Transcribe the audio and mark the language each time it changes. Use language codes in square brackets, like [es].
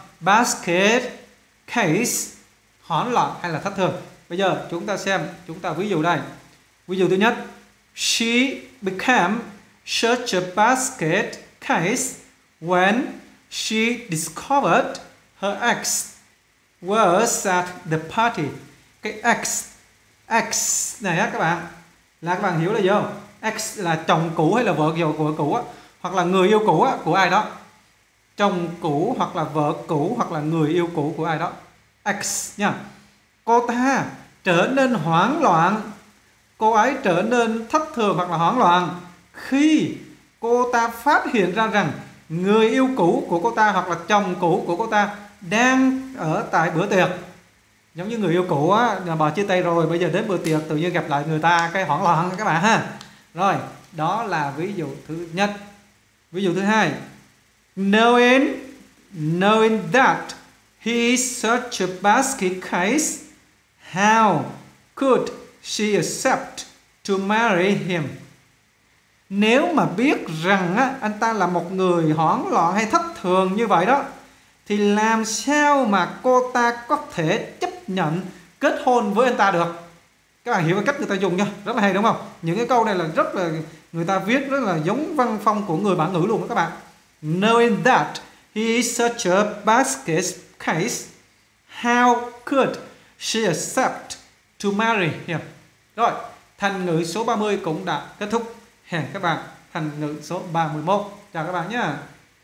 [vi] Basket case, hoảng loạn hay là thất thường. Bây giờ chúng ta xem, chúng ta ví dụ đây. Ví dụ thứ nhất, [en] she became such a basket case when she discovered her ex was at the party. [vi] Cái ex này á các bạn, là các bạn hiểu là gì không? Ex là chồng cũ hay là vợ cũ, vợ cũ á, hoặc là người yêu cũ á của ai đó. Chồng cũ hoặc là vợ cũ hoặc là người yêu cũ của ai đó. Ex nha. Cô ta trở nên hoảng loạn, cô ấy trở nên thất thường hoặc là hoảng loạn khi cô ta phát hiện ra rằng người yêu cũ của cô ta hoặc là chồng cũ của cô ta đang ở tại bữa tiệc. Giống như người yêu cũ á, nhà bà chia tay rồi, bây giờ đến bữa tiệc tự nhiên gặp lại người ta, cái hoảng loạn các bạn ha. Rồi, đó là ví dụ thứ nhất. Ví dụ thứ hai, [en] Knowing that he is such a basket case, how could she accept to marry him? [vi] Nếu mà biết rằng á, anh ta là một người hoảng loạn hay thất thường như vậy đó, thì làm sao mà cô ta có thể chấp nhận kết hôn với anh ta được? Các bạn hiểu cái cách người ta dùng nha, rất là hay đúng không? Những cái câu này là rất là, người ta viết rất là giống văn phong của người bản ngữ luôn đó các bạn. [en] Knowing that he is such a basket case, how could she accept to marry him? [vi] Rồi, thành ngữ số 30 cũng đã kết thúc. Hẹn các bạn thành ngữ số 31. Chào các bạn nhé.